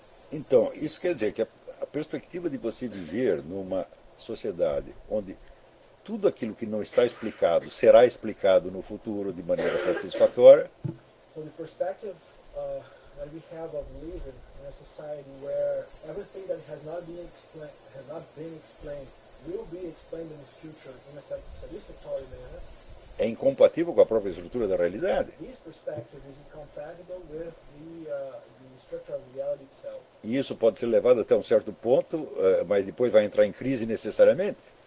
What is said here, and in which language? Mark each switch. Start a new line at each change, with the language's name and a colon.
Portuguese: Então, isso quer dizer que a perspectiva de você viver numa sociedade onde tudo aquilo que não está explicado será explicado no futuro de maneira satisfatória.
English: So the perspective that we have of living in a society where everything that has not been explained will be explained in the future in a satisfactory manner.
Portuguese: É incompatível com a própria estrutura da realidade.
English: This perspective is incompatible with the structure of reality itself.
Portuguese: E isso pode ser levado até um certo ponto, mas depois vai entrar em crise necessariamente.